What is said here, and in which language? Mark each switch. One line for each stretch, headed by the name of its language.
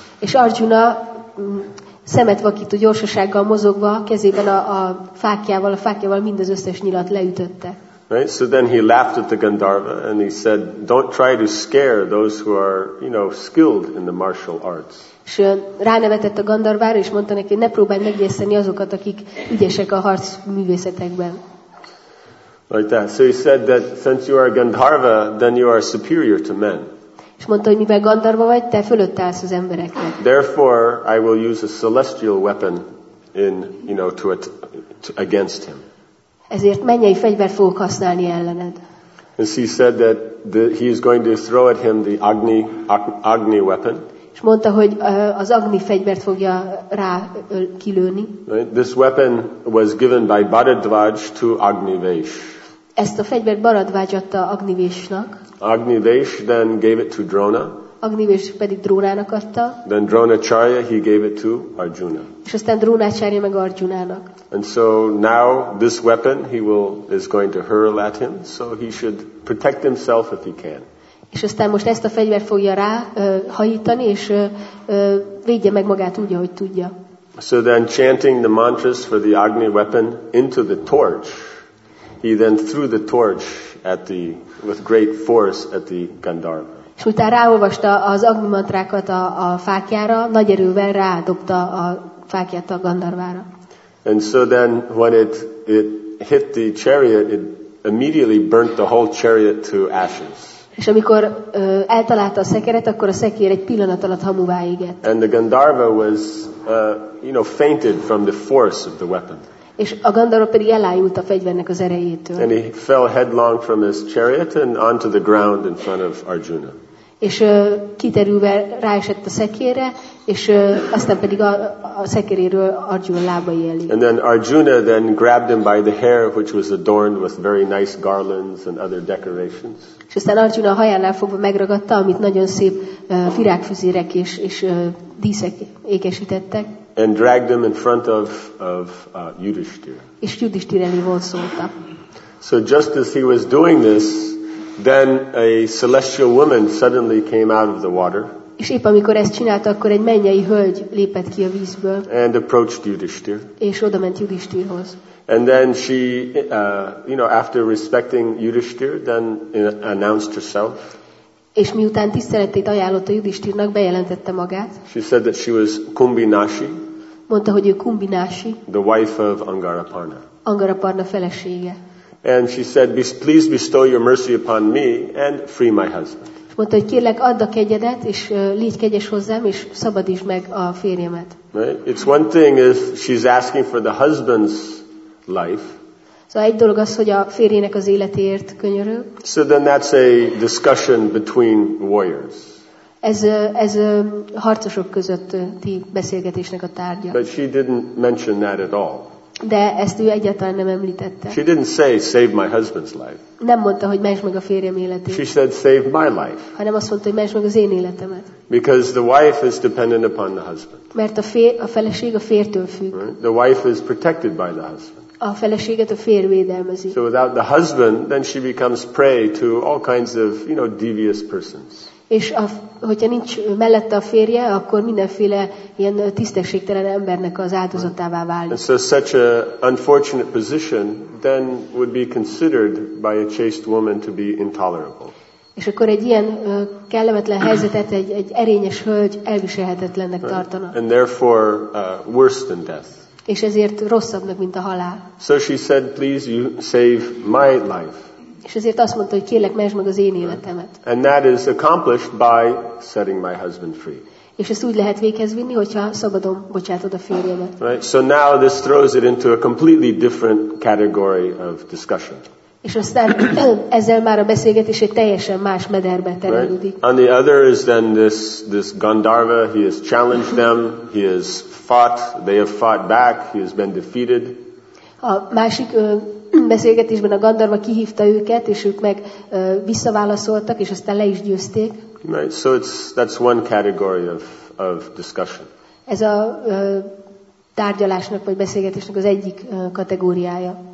Hungarian: És Arjuna szemet vakító gyorsasággal mozogva, kezében a fákjával mind az összes nyilat leütötte.
English: Right? So then he laughed at the Gandharva and he said, don't try to scare those who are, you know, skilled in the martial arts.
Hungarian: És ránevetett a Gandharvára, és mondta neki, ne próbálj meggyőzni azokat, akik ügyesek a harc művészetekben.
English: Like that. So he said that since you are Gandharva, then you are superior to men.
Hungarian: És mondta, hogy mivel Gandharva vagy, te fölött állsz az embereknek.
English: Therefore, I will use a celestial weapon in, you know, to against him.
Hungarian: Ezért mennyei fegyvert fogok használni ellened.
English: And he said that he is going to throw at him the Agni weapon.
Hungarian: És mondta, hogy az Agni fegyvert fogja rá kilőni.
English: Right? This weapon was given by Bharadvaj to Agni Vesh.
Hungarian: Ezt a fegyvert Bharadvaj adta Agni Vesh-nak.
English: Agni Vesh then gave it to Drona.
Hungarian: Agnivis pedig Drónának adta.
English: Then Dronacharya he gave it to Arjuna.
Hungarian: És aztán Drónacharya meg Arjunának.
English: And so now this weapon he will is going to hurl at him, so he should protect himself if he can.
Hungarian: És aztán most ezt a fegyvert fogja rá hajítani, és védje meg magát úgy, ahogy tudja.
English: So then chanting the mantras for the Agni weapon into the torch, he then threw the torch at the with great force at the Gandharva.
Hungarian: És utána ráolvasta az Agni mantrákat a fáklyára, nagy erővel rádobta a fáklyát a Gandharvára.
English: And so then when it hit the chariot, it immediately burnt the whole chariot to ashes.
Hungarian: És amikor eltalálta a szekeret, akkor a szekér egy pillanat alatt hamuvá égett.
English: And the Gandharva was fainted from the force of the weapon.
Hungarian: És a Gandharva pedig elájult a fegyvernek az erejétől.
English: And he fell headlong from his chariot and onto the ground in front of Arjuna.
Hungarian: És kiterülve ráesett a szekére, és aztán pedig a szekéréről Arjuna lábai elé.
English: And then Arjuna then grabbed him by the hair, which was adorned with very nice garlands and other decorations.
Hungarian: És aztán Arjuna a hajánál fogva megragadta, amit nagyon szép virágfüzérek és díszek ékesítettek.
English: And dragged him in front of Yudhishthira.
Hungarian: És Yudhishthir elé volt szólta.
English: So just as he was doing this, then a celestial woman suddenly came out of the water.
Hungarian: És épp amikor ezt csinálta, akkor egy mennyei hölgy lépett ki a vízből.
English: And approached Yudhishthir.
Hungarian: És odament Yudhishthirhoz.
English: And then she, after respecting Yudhishthir, then announced herself.
Hungarian: És miután tiszteletét ajánlott a Yudhishthirnak, bejelentette magát.
English: She said that she was Kumbhinashi.
Hungarian: Mondta, hogy ő Kumbhinashi.
English: The wife of Angaraparna.
Hungarian: Angaraparna felesége.
English: And she said, please bestow your mercy upon me and free my husband.
Hungarian: És mondta, hogy kérlek, add a kegyedet, és légy kegyes hozzám, és szabadítsd meg a férjemet.
English: Right? It's one thing if she's asking for the husband's life.
Hungarian: Szóval egy dolog az, hogy a férjének az életéért könyörül.
English: So then that's a discussion between warriors.
Hungarian: Ez harcosok közötti beszélgetésnek a tárgya.
English: But she didn't mention that at all.
Hungarian: De ezt ő egyáltalán nem említette.
English: She didn't say, save my husband's life.
Hungarian: Nem mondta, hogy mentsd meg a férjem életét.
English: She said, save my life.
Hungarian: Hanem azt mondta, hogy mentsd meg az én életemet.
English: Because the wife is dependent upon the husband.
Hungarian: Mert a feleség a férjtől függ.
English: Right? The wife is protected by the husband.
Hungarian: A feleséget a férj védelmezi.
English: So without the husband, then she becomes prey to all kinds of, devious persons.
Hungarian: És hogyha nincs mellette a férje, akkor mindenféle ilyen tisztességtelen embernek az áldozatává válik.
English: So such a unfortunate position then would be considered by a chaste woman to be intolerable.
Hungarian: És akkor egy ilyen kellemetlen helyzetet egy erényes hölgy elviselhetetlennek tartana.
English: And therefore worse than death.
Hungarian: És ezért rosszabbnak, mint a halál.
English: So she said, please you save my life.
Hungarian: És ezért azt mondta, hogy kérlek, mentsd meg az én életemet.
English: And that is accomplished by setting my husband free.
Hungarian: És ezt úgy lehet véghez vinni, hogyha szabadon bocsátod a férjemet.
English: Right. So now this throws it into a completely different category of discussion.
Hungarian: És aztán ezzel már a beszélgetés egy teljesen más mederbe terelődik.
English: And the other is then this Gandharva, he has challenged them, he has fought, they have fought back, he has been defeated.
Hungarian: A másik beszélgetésben a Gandharva kihívta őket, és ők meg visszaválaszoltak, és aztán le is győzték.
English: Right, so that's one category of discussion.
Hungarian: Ez a tárgyalásnak vagy beszélgetésnek az egyik kategóriája.